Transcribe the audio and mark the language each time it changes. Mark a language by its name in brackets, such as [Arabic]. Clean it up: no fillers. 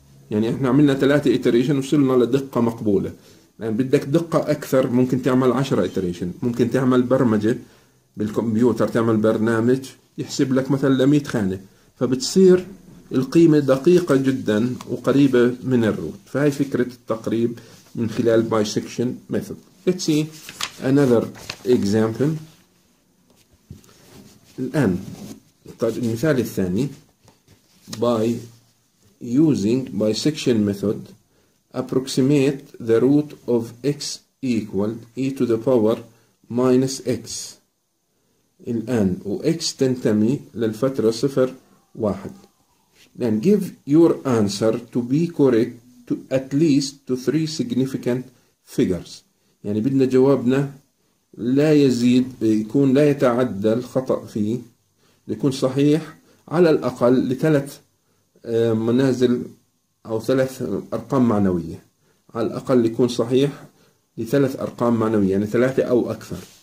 [Arabic] يعني احنا عملنا 3 إتريشن وصلنا لدقة مقبولة. يعني بدك دقة أكثر ممكن تعمل 10 إتريشن، ممكن تعمل برمجة بالكمبيوتر، تعمل برنامج يحسب لك مثلا 100 خانة، فبتصير القيمة دقيقة جدا وقريبة من الروت. فهي فكرة التقريب من خلال bisection method. [English] Let's see another example. [Arabic] الآن المثال الثاني، [English] by using bisection method approximate the root of x equal e to the power minus x. [Arabic] الآن و x تنتمي للفترة 0 1. [English] Then give your answer to be correct to at least to 3 significant figures. [Arabic] يعني بدنا جوابنا لا يزيد، يكون لا يتعدى الخطأ فيه، يكون صحيح على الأقل لثلاث منازل أو ثلاث أرقام معنوية، على الأقل يكون صحيح لثلاث أرقام معنوية، يعني 3 أو أكثر.